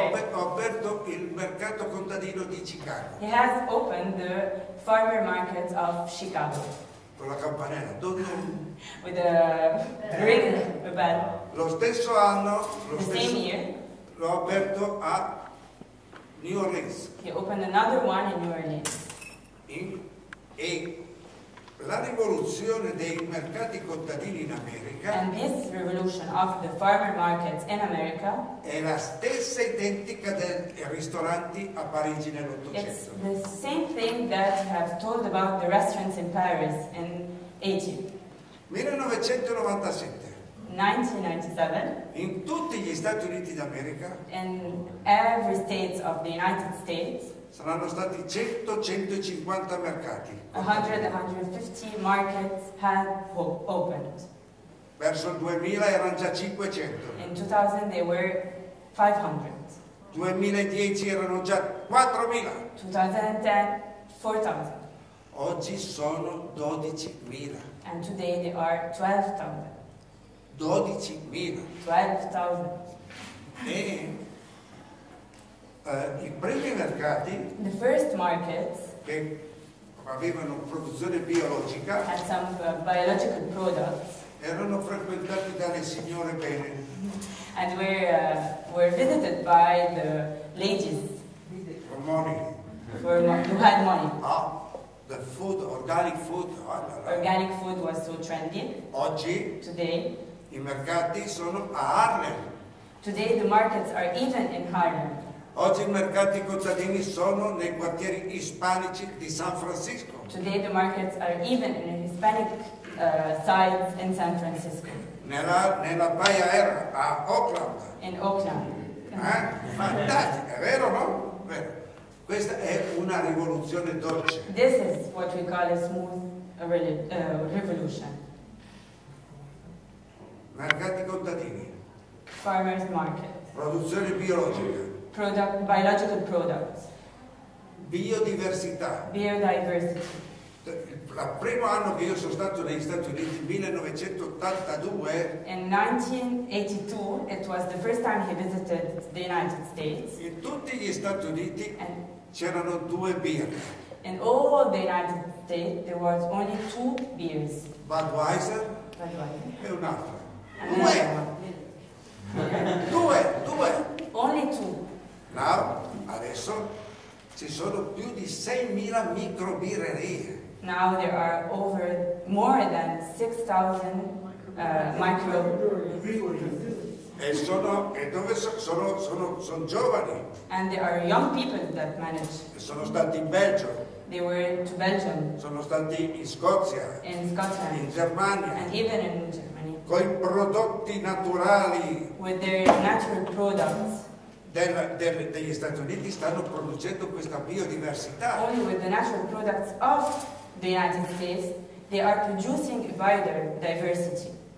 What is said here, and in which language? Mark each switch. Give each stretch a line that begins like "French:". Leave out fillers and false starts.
Italian: Ho aperto il mercato contadino di Chicago.
English: He has opened the farmer market of Chicago.
Italian: Con la campanella. Dove?
English: With a ring, a bell.
Italian: Lo stesso anno.
English: The same year.
Italian: L'ho aperto a New Orleans.
English: He opened another one in New Orleans.
Italian: E la rivoluzione dei mercati contadini in America.
English: And this revolution of the farmer markets in America.
Italian: È la stessa identica dei ristoranti a Parigi nell'Ottocento.
English: It's the same thing that you have told about the restaurants in Paris in 18.
Italian: 1997.
English: 1997.
Italian: In tutti gli Stati Uniti d'America.
English: In every state of the United States.
Italian: Saranno stati 100-150 mercati.
English: 100-150 markets had opened.
Italian: Verso il 2000 erano già 500.
English: In 2000 they were 500.
Italian: 2010 erano già 4000.
English: 2010, 4000.
Italian: Oggi sono 12000.
English: And today they are 12,000. 12,000. 12,000.
Italian: E i primi mercati,
English: the first markets,
Italian: che avevano produzione biologica,
English: had some biological products,
Italian: erano frequentati dalle signore bene.
English: And were visited by the ladies. For money. Who had money. Ah, the food, organic food. Organic food was so trendy.
Italian: Oggi.
English: Today.
Italian: I mercati sono a Harlem.
English: Today the markets are even in Harlem.
Italian: Oggi i mercati contadini sono nei quartieri ispanici di San Francisco.
English: Today the markets are even in Hispanic side in San Francisco.
Italian: Nella Bahia Air a Oakland.
English: In Oakland.
Italian: Fantastico, è vero, no? Vero. Questa è una rivoluzione dolce.
English: This is what we call a smooth revolution.
Italian: Mercati contadini.
English: Farmers market.
Italian: Produzione biologica.
English: Biological products.
Italian: Biodiversità.
English: Biodiversity.
Italian: Il primo anno che io sono stato negli Stati Uniti, 1982.
English: In 1982, it was the first time he visited the United States.
Italian: In tutti gli Stati Uniti c'erano due birre.
English: In all the United States, there was only two beers. Budweiser. Budweiser.
Italian: E un'altra. Due. Due. Due.
English: Only two. Now,
Italian: adesso ci sono più di 6.000 microbirrerie.
English: Now there are over more than 6,000 microbreweries.
Italian: E sono giovani.
English: And there are young people that manage.
Italian: E sono stati in Belgio.
English: They were to Belgium.
Italian: Sono stati in Scozia.
English: In Scotland.
Italian: In Germania.
English: And even in Germany.
Italian: Con i prodotti naturali.
English: With their natural products.
Italian: Degli Stati Uniti stanno producendo questa biodiversità.
English: Only with the natural products of the United States, they are producing biodiversity.